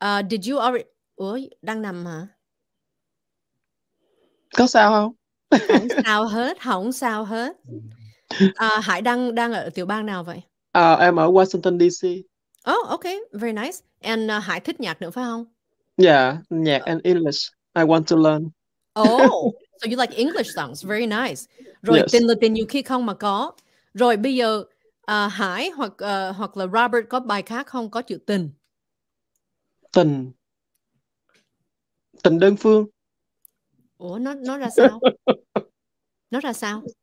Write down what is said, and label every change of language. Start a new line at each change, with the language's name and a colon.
English: Did you already...
Vietnamese: Ủa, đang nằm hả? Có sao không? Không sao hết, không sao hết. Hải đang đang ở tiểu bang nào vậy? Em ở Washington DC.
English: Oh, okay, very nice. And
Vietnamese: Hải thích nhạc nữa phải không?
English: Yeah,
Vietnamese: nhạc
English: and English. I want to Oh, so you like English songs, very nice.
Vietnamese: Rồi
English: Yes.
Vietnamese: tình là tình nhiều khi không mà có. Rồi bây giờ Hải hoặc hoặc là Robert có bài khác không có chữ tình? Tình. Tình đơn phương. Ủa nó ra sao? Nó ra sao?